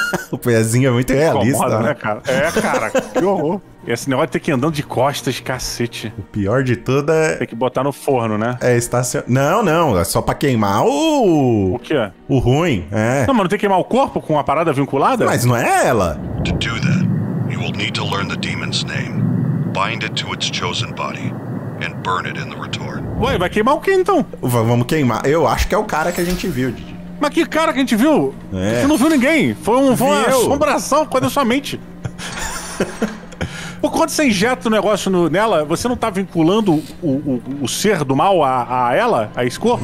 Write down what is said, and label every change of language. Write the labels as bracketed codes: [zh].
[pt] O pezinho é muito realista. Incomoda, né, cara? É, cara. Que horror. Esse negócio de ter que ir andando de costas, cacete. O pior de tudo é... tem que botar no forno, né? É estacionado. Não, não. É só pra queimar o... o quê? O ruim, é. Não, mas não tem que queimar o corpo com a parada vinculada? Mas não é ela. [en] To do that, you will need to learn the demon's name, bind it to its chosen body, and burn it in the retort. [pt] Ué, vai queimar o quê, então? Vamos queimar. Eu acho que é o cara que a gente viu, Didi. Mas que cara que a gente viu? É. A gente não viu ninguém. Foi uma assombração com a sua mente. Por quando você injeta o negócio nela, você não tá vinculando o ser do mal a ela, a esse corpo?